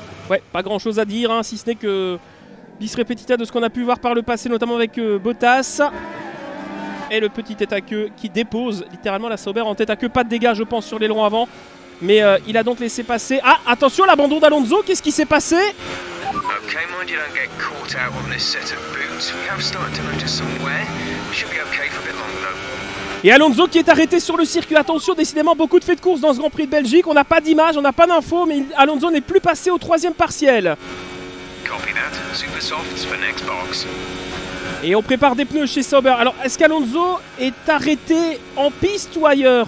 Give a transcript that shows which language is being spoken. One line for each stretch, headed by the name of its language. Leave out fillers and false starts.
French: Ouais, pas grand chose à dire, hein, si ce n'est que bis repetita de ce qu'on a pu voir par le passé, notamment avec Bottas. Et le petit tête à queue qui dépose littéralement la Sauber en tête à queue. Pas de dégâts, je pense, sur l'aileron avant. Mais il a donc laissé passer. Ah, attention, l'abandon d'Alonso, qu'est-ce qui s'est passé?
English: Okay, mind you don't get caught out on this set of boots. We have started to notice somewhere. We should be okay for a bit longer though.
French: Et Alonso qui est arrêté sur le circuit. Attention, décidément, beaucoup de faits de course dans ce Grand Prix de Belgique. On n'a pas d'image, on n'a pas d'infos, mais Alonso n'est plus passé au troisième partiel.
English: Copy that. Super soft for next box.
French: Et on prépare des pneus chez Sauber. Alors, est-ce qu'Alonso est arrêté en piste ou ailleurs?